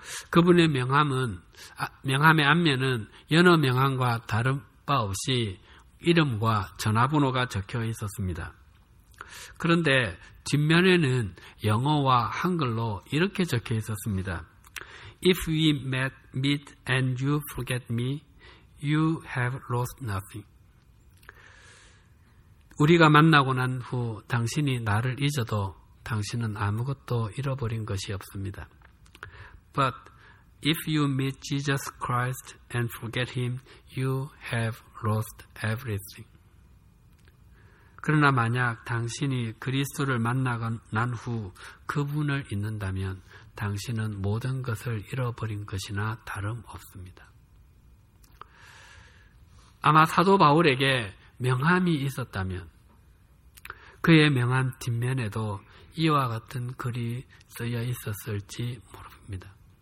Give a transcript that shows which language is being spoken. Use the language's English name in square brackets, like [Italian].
[Korean] 그분의 명함의 앞면은 연어 명함과 다른 바 없이 이름과 전화번호가 적혀 있었습니다. 그런데 뒷면에는 영어와 한글로 이렇게 적혀 있었습니다. [English] If we meet and you forget me, you have lost nothing. [Korean] 우리가 만나고 난 후 당신이 나를 잊어도 당신은 아무것도 잃어버린 것이 없습니다. [English] But if you meet Jesus Christ and forget him, you have lost everything. [Korean] 그러나 만약 당신이 그리스도를 만나고 난 후 그분을 잊는다면 당신은 모든 것을 잃어버린 것이나 다름없습니다. 아마 사도 바울에게 명함이 있었다면 그의 명함 뒷면에도 이와 같은 글이 쓰여 있었을지 모릅니다.